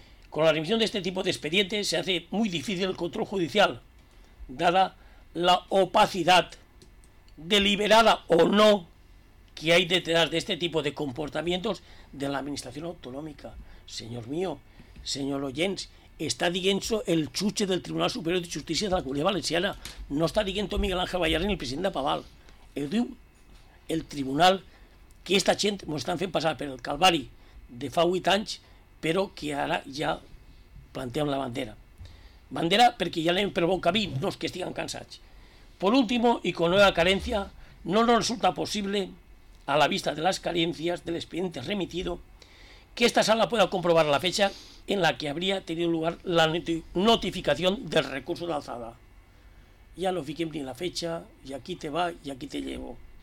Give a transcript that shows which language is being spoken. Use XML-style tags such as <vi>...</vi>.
<es>Con la remisión de este tipo de expedientes se hace muy difícil el control judicial, dada la opacidad, deliberada o no, que hay detrás de este tipo de comportamientos de la administración autonómica. Señor mío, señor Ollens, está diciendo el chuche del Tribunal Superior de Justicia de la Comunidad Valenciana, no está diciendo Miguel Ángel Vallarín ni el presidente de Paval.</es> <ca>El tribunal que esta gent ens estan fent passar per el calvari de fa 8 anys, però que ara ja plantean la bandera. Bandera perquè ja anem per bon camí, no és que estiguen cansats.</ca> <es>Por último, y con nueva carencia, no nos resulta posible, a la vista de las carencias del expediente remitido, que esta sala pueda comprobar la fecha en la que habría tenido lugar la notificación del recurso de alzada. Ya no fiquen ni la fecha, y aquí te va, y aquí te llevo.</es>